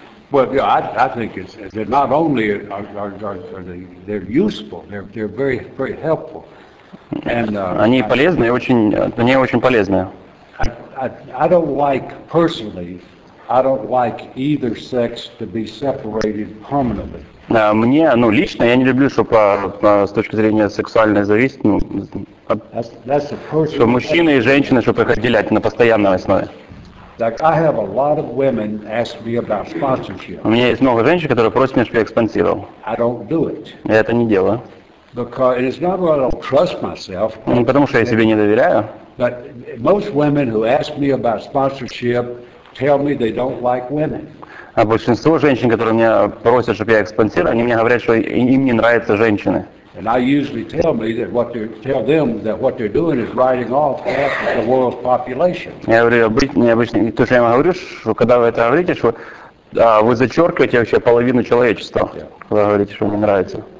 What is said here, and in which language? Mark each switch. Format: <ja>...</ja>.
<en>Well, yeah, I think it's not only are they useful, they're very very helpful.</en> <ru>And они полезные, очень, они очень полезные.</ru> <en>I don't like either sex to be separated permanently.</en> <ru>Мне, ну, лично я не люблю, чтобы с точки зрения сексуальной зависимости, что мужчины и женщины, чтобы их отделять на постоянной основе.</ru> <en>Like I have a lot of women ask me about sponsorship.</en> <ru>У меня есть много женщин, которые просят меня, чтобы я спонсировал.</ru> <en>I don't do it.</en> <ru>Я это не делаю.</ru> <en>Because it's not that I don't trust myself.</en> <ru>Ну, потому что я себе не доверяю.</ru> <en>But most women who ask me about sponsorship tell me they don't like women.</en> <ru>А большинство женщин, которые меня просят, чтобы я их спонсировал, они мне говорят, что им не нравятся женщины.</ru> <en>And I usually tell them that what they're doing is writing off half of the world's population.</en> <ru>Я говорю необычно, то что я вам говорю, что когда вы это говорите, что вы зачеркиваете вообще половину человечества, когда говорите, что вам не нравится.</ru>